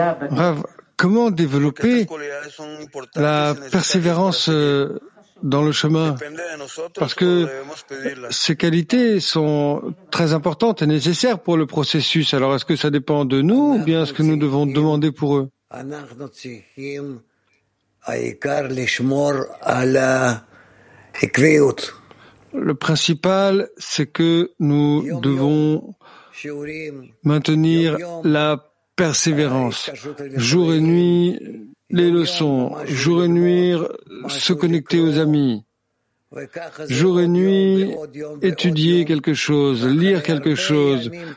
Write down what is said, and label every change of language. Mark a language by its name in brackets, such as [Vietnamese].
[French] Rav, comment développer la persévérance dans le chemin? Parce que ces qualités sont très importantes et nécessaires pour le processus. Alors, est-ce que ça dépend de nous ou bien est-ce que nous devons demander pour eux? [Hebrew] אנחנו צריכים העיקר לשמור על העקביות. [French] Le principal, c'est que nous devons maintenir la persévérance. Jour et nuit, les leçons. Jour et nuit, se connecter aux amis. Jour et nuit, étudier quelque chose, lire quelque chose.